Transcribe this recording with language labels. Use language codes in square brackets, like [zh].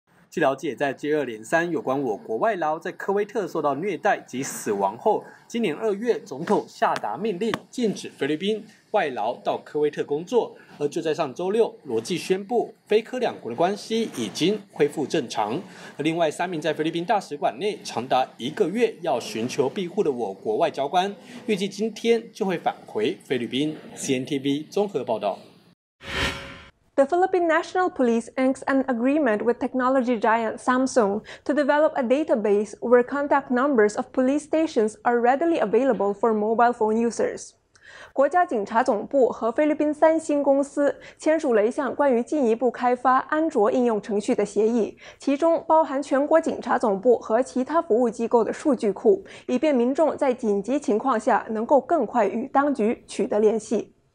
[zh] 据了解，在接二连三有关我国外劳在科威特受到虐待及死亡后，今年二月总统下达命令禁止菲律宾外劳到科威特工作，而就在上周六，罗季宣布菲科两国的关系已经恢复正常。而另外三名在菲律宾大使馆内长达一个月要寻求庇护的我国外交官，预计今天就会返回菲律宾。 CNTV 综合报道。 [en] The Philippine National Police inks an agreement with technology giant Samsung to develop a database where contact numbers of police stations are readily available for mobile phone users. [zh] 国家警察总部和菲律宾三星公司签署了一项关于进一步开发安卓应用程序的协议，其中包含全国警察总部和其他服务机构的数据库，以便民众在紧急情况下能够更快与当局取得联系。